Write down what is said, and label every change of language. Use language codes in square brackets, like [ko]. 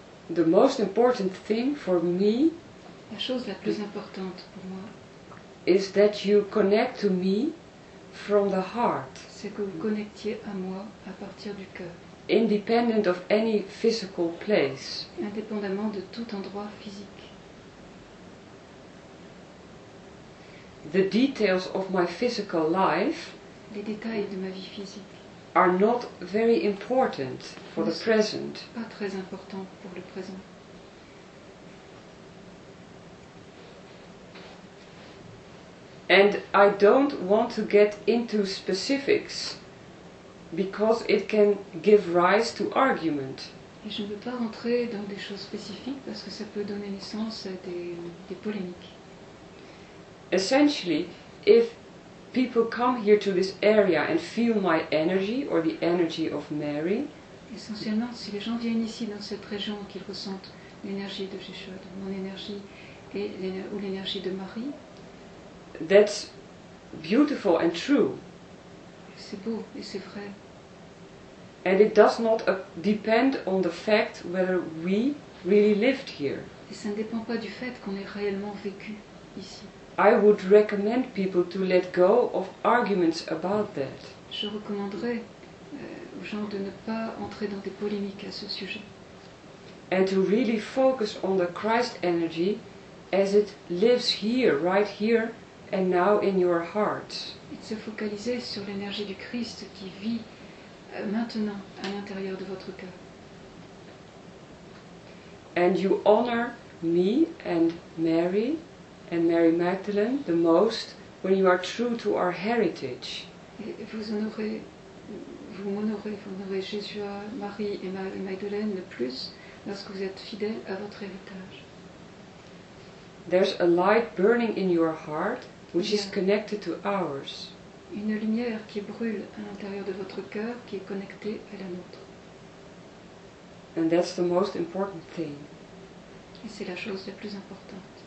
[en] The most important thing for me, [fr] la chose la plus importante pour moi, [en] is that you connect to me from the heart. [fr] C'est que vous connectiez à moi à partir du cœur. [en] Independent of any physical place. [fr] Indépendamment de tout endroit physique. [en] The details of my physical life, [fr] les détails de ma vie physique, [en] are not very important for the present. [fr] Pas très important pour le présent. [en] And I don't want to get into specifics, because it can give rise to argument. [fr] Et je ne veux pas rentrer dans des choses spécifiques parce que ça peut donner naissance à des polémiques. [en] Essentially, if people come here to this area and feel my energy or the energy of Mary, [fr] essentiellement, si les gens viennent ici dans cette région qu'ils ressentent l'énergie de Yeshua, mon énergie et ou l'énergie de Marie, [en] that's beautiful and true. [fr] C'est beau et c'est vrai. [en] And it does not depend on the fact whether we really lived here. [fr] Et ça ne dépend pas du fait qu'on ait réellement vécu ici. [en] I would recommend people to let go of arguments about that. [fr] Je recommanderais genre de ne pas entrer dans des polémiques à ce sujet. [en] And to really focus on the Christ energy as it lives here, right here and now in your heart. [fr] Et de se focaliser sur l'énergie du Christ qui vit maintenant à l'intérieur de votre cœur. [en] And you honor me and Mary Magdalene the most when you are true to our heritage. [fr] Et vous honorez Jésus, Marie et Magdalene le plus lorsque vous êtes fidèles à votre héritage. [en] There's a light burning in your heart which is connected to ours. [fr] Une lumière qui brûle à l'intérieur de votre cœur qui est connectée à la nôtre. [en] And that's the most important thing. [fr] Et c'est la chose la plus importante.